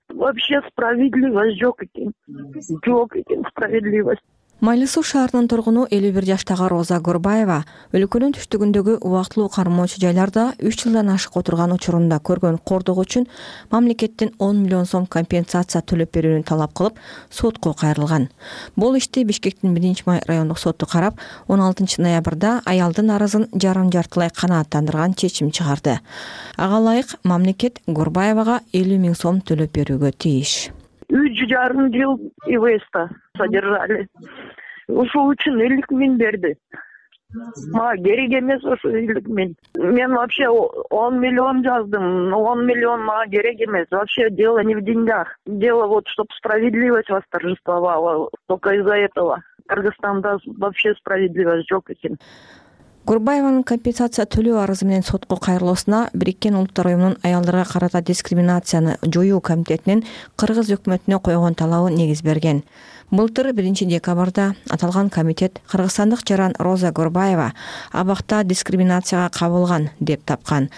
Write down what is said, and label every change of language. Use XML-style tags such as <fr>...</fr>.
<ru>Вообще справедливость</ru> <ky>жок экен. Жок экен</ky> <ru>справедливость.</ru> <ky>Майлысуу шаарынын тургуну 51 жаштагы Роза Горбаева өлкөнүн түштүгүндөгү убактылуу кармоочу жайларда 3 жылдан ашык отурган учурунда көргөн кордугу үчүн мамлекеттен 10,000,000 сом компенсация төлөп берүүнү талап кылып сотко кайрылган. Бул ишти Бишкектин 1 май райондук соту карап, 16-ноябрда аялдын арызын жарым жартылай канааттандырган чечим чыгарды. Ага ылайык, мамлекет Горбаевага 50,000 сом төлөп берүүгө тийиш. 3.5 жыл ИВСда</ky> <ru>содержали.</ru> <ky>Ушул үчүн 50,000 берди. Мага керек эмес ушул 50,000. Мен</ky> <ru>вообще</ru> <ky>10,000,000 жаздым. 10,000,000 мага керек эмес.</ky> <ru>Вообще дело не в деньгах. Дело вот, чтоб справедливость восторжествовала. Только из-за этого.</ru> <ky>Кыргызстанда</ky> <ru>вообще</ru> <ky>справедливость жок экен. Курбаеванын компенсация төлөө арызы менен сотко кайрылуусуна Бириккен улуттар уюмунун аялдарга карата дискриминацияны жоюу комитетинин кыргыз өкмөтүнө койгон талабы негиз берген. Былтыр 1-декабрда аталган комитет кыргызстандык жаран Роза Горбаева абакта дискриминацияга кабылган деп тапкан.</ky>